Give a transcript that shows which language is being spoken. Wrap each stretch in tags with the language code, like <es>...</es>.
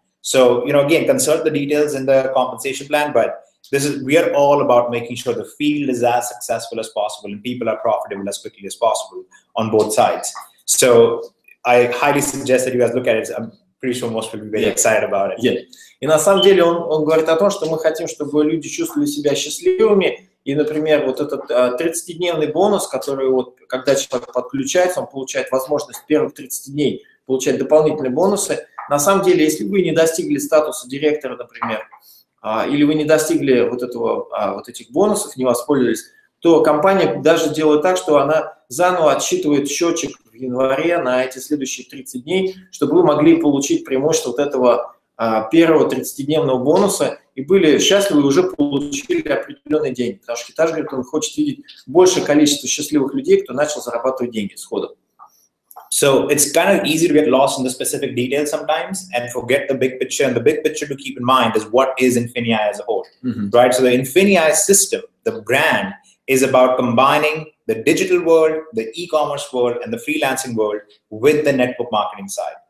<en>So, you know, again, consult the details in the compensation plan, but we are all about making sure the field is as successful as possible and people are profitable as quickly as possible on both sides. So I highly suggest that you guys look at it. I'm pretty sure most people will be very excited about it. Yeah.</en> <ru>И на самом деле он говорит о том, что мы хотим, чтобы люди чувствовали себя счастливыми. И, например, вот этот 30-дневный бонус, который вот, когда человек подключается, он получает возможность первых 30 дней получать дополнительные бонусы. На самом деле, если вы не достигли статуса директора, например, или вы не достигли вот этого, вот этих бонусов, не воспользовались, то компания даже делает так, что она заново отсчитывает счетчик в январе на эти следующие 30 дней, чтобы вы могли получить преимущество вот этого первого 30-дневного бонуса и были счастливы, и уже получили определенный день. Потому что Хитаж говорит, он хочет видеть большее количество счастливых людей, кто начал зарабатывать деньги сходу.</ru> <en>So it's kind of easy to get lost in the specific details sometimes and forget the big picture. And the big picture to keep in mind is what is Infinii as a whole, right? So the Infinii system, the brand, is about combining the digital world, the e-commerce world, and the freelancing world with the network marketing side.</en>